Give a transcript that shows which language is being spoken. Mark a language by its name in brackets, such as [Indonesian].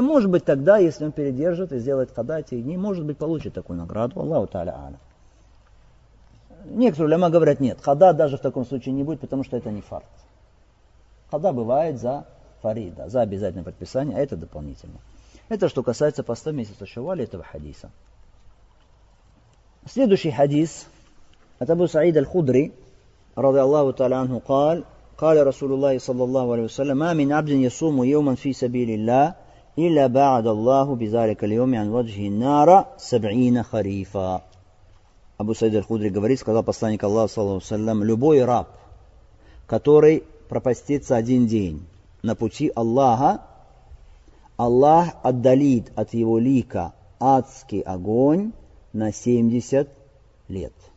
[Russian] Может быть, тогда, если он передержит и сделает хадати, не может быть, получит такую награду. Аллаху тааля аля. Некоторые уляма говорят, нет, хада даже в таком случае не будет, потому что это не фард. Хада бывает за фарида, за обязательное предписание, а это дополнительно. Это что касается поста месяца шаваля этого хадиса. Следующий хадис от Абу Саид аль-Худри, ради Аллаху тааля анху, [Arabic] قال رسول الله صلى الله عليه وسلم ما من عبد يصوم يوما في سبيل الله إلا بعد الله بذلك اليوم عن وجهه النار 70 خريفا. [Russian] Абу Саид аль-Худри говорит, сказал посланник Аллаха [Arabic] صلى الله عليه وسلم, [Russian] любой раб, который пропастится один день на пути Аллаха, Аллах отдалит от его лика адский огонь на 70 лет.